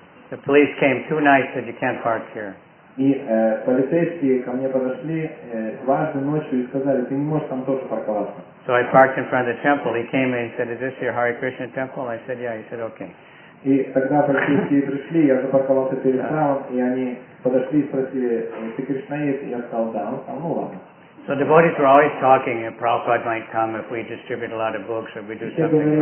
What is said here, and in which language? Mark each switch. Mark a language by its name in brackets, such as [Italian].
[English] The police came two nights, said, you can't park here. [Russian] И полицейские ко мне подошли дважды ночью и сказали, ты не можешь там тоже парковаться. [English] So I parked in front of the temple. He came and he said, is this your Hare Krishna temple? I said, yeah. He said, okay. [Russian] И тогда полицейские пришли, я запарковался перед храмом, и они подошли и спросили, ты кришнаист? Я сказал, да. Он сказал, ну ладно. [English] So devotees were always talking that Prabhupada might come if we distribute a lot of books or if we do something.